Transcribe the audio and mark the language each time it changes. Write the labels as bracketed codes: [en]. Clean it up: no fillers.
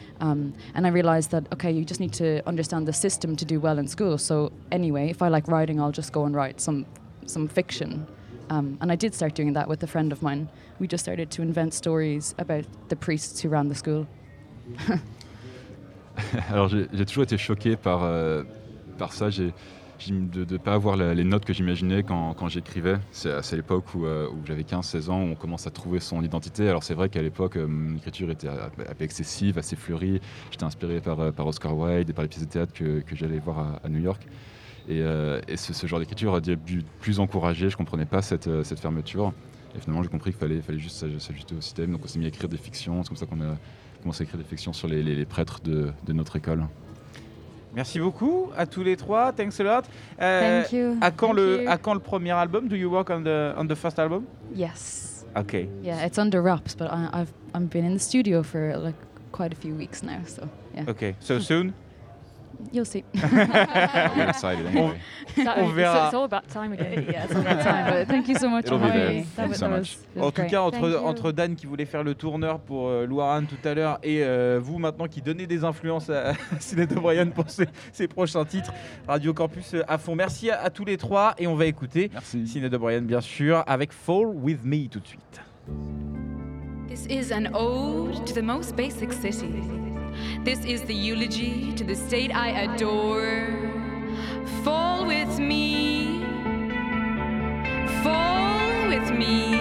[en] And I realized that, okay, you just need to understand the system to do well in school. So anyway, if I like writing, I'll just go and write some fiction. And I did start doing that with a friend of mine. We just started to invent stories about the priests who ran the school. [fr] Alors j'ai toujours été choqué par ça. J'ai, de pas avoir les notes que j'imaginais quand j'écrivais. C'est à l'époque où j'avais 15-16 ans, où on commence à trouver son identité. Alors c'est vrai qu'à l'époque, mon écriture était excessive, assez fleurie. J'étais inspiré par Oscar Wilde et par les pièces de théâtre que j'allais voir à New York. Et ce genre d'écriture a dû plus encourager. Je comprenais pas cette fermeture. Et finalement, j'ai compris qu'il fallait juste s'ajuster au système. Donc on s'est mis à écrire des fictions. C'est comme ça qu'on a commencé à écrire des fictions sur les prêtres de notre école. Merci beaucoup à tous les trois. [en] Thanks a lot. Thank you. [fr] À quand le premier album? [en] Do you work on the first album? Yes. Okay. Yeah, it's under wraps, but I've been in the studio for like quite a few weeks now. So yeah. Okay. So soon. You'll see. We're excited. Anyway. [fr] On verra. [en] It's all about time again. Yeah, it's all about time. But thank you so much. It'll for be having there. Me. Thank you so much. [fr] En tout cas, entre Dan qui voulait faire le tourneur pour Louarane tout à l'heure et vous maintenant qui donnez des influences à Sinéad O'Brien pour ses prochains titres, Radio Campus à fond. Merci à tous les trois et on va écouter Sinéad O'Brien, bien sûr, avec Fall With Me tout de suite. [en] This is an ode to the most basic city. This is the eulogy to the state I adore. Fall with me. Fall with me.